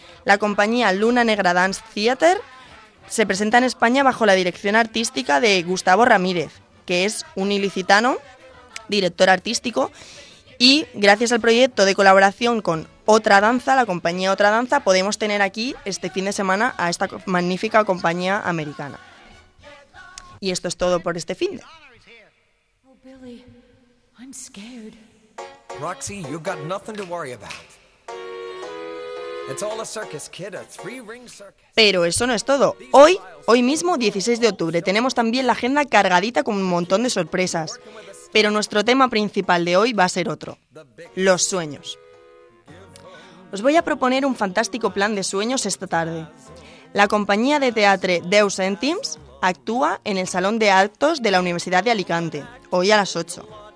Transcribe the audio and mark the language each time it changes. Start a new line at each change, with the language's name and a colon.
Spanish: La compañía Luna Negra Dance Theater se presenta en España bajo la dirección artística de Gustavo Ramírez, que es un ilicitano director artístico, y gracias al proyecto de colaboración con Otra Danza, la compañía Otra Danza, podemos tener aquí este fin de semana a esta magnífica compañía americana. Y esto es todo por este finde.
English: Oh, Billy, I'm scared. Roxy, you've got nothing to worry about. It's all a circus, kid, a three-ring circus.
Spanish: Pero eso no es todo. Hoy mismo, 16 de octubre, tenemos también la agenda cargadita con un montón de sorpresas. Pero nuestro tema principal de hoy va a ser otro: los sueños. Os voy a proponer un fantástico plan de sueños esta tarde. La compañía de teatro Deus Entims actúa en el Salón de Actos de la Universidad de Alicante, hoy a las 8.